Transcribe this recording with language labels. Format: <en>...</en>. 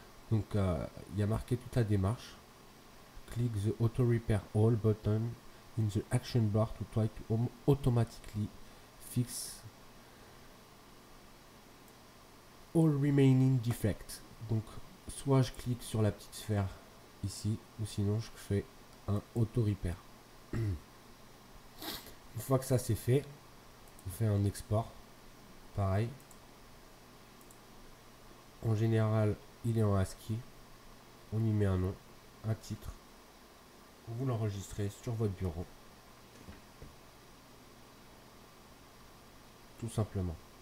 <fr>Donc il y a marqué toute la démarche.</fr> <en>Click the auto repair all button in the action bar to try to automatically fix all remaining defects.</en> <fr>Donc soit je clique sur la petite sphère ici, ou sinon je fais un auto repair. Une fois que ça c'est fait, on fait un export pareil. En général il est en ASCII, on y met un nom, un titre, vous l'enregistrez sur votre bureau tout simplement.</fr>